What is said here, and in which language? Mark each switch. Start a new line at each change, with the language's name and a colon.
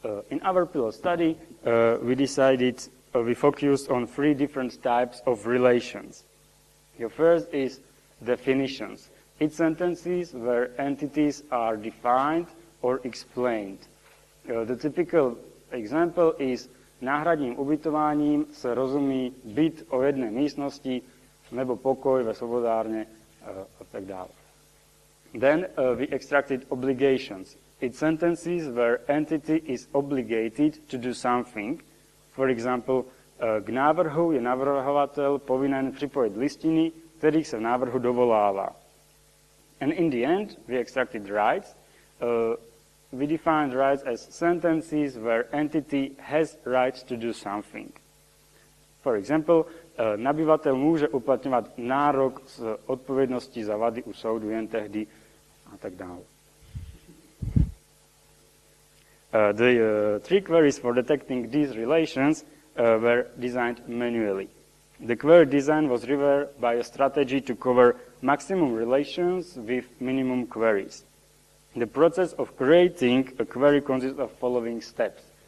English: In our pilot study, we decided we focused on three different types of relations. The first is definitions. It's sentences where entities are defined or explained. The typical example is
Czech: náhradním ubytováním se rozumí byt o jedné místnosti nebo pokoj ve svobodárně a tak dále.
English: Then we extracted obligations. It's sentences where entity is obligated to do something. For example,
Czech: k návrhu je navrhovatel povinen připojit listiny, kterých se v návrhu dovolává.
English: And in the end, we extracted rights. We defined rights as sentences where entity has rights to do something. For example,
Czech: nabývatel může uplatňovat nárok z odpovědnosti za vady u soudu jen tehdy a tak dále.
English: The three queries for detecting these relations were designed manually. The query design was driven by a strategy to cover maximum relations with minimum queries. The process of creating a query consists of following steps.